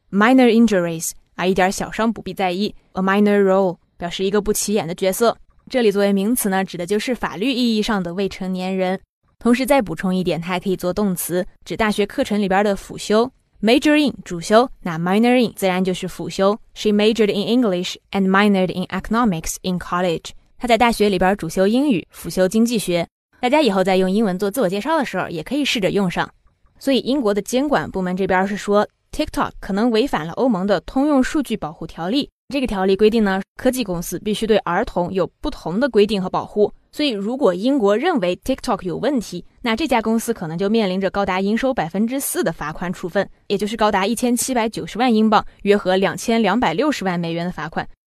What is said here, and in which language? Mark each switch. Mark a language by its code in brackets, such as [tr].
[zh] minor injuries 啊，一点小伤不必在意。a minor role 表示一个不起眼的角色，这里作为名词呢，指的就是法律意义上的未成年人。同时再补充一点，它还可以做动词，指大学课程里边的辅修。 major in 主修，那 minor in 自然就是辅修。 [en] She majored in English and minored in economics in college， [zh] 她在大学里边主修英语，辅修经济学。大家以后在用英文做自我介绍的时候也可以试着用上。所以英国的监管部门这边是说， TikTok 可能违反了欧盟的通用数据保护条例。这个条例规定呢，科技公司必须对儿童有不同的规定和保护。所以如果英国认为 TikTok 有问题，那这家公司可能就面临着高达营收 4% 的罚款处分，也就是高达1790万英镑，约合2260万美元的罚款。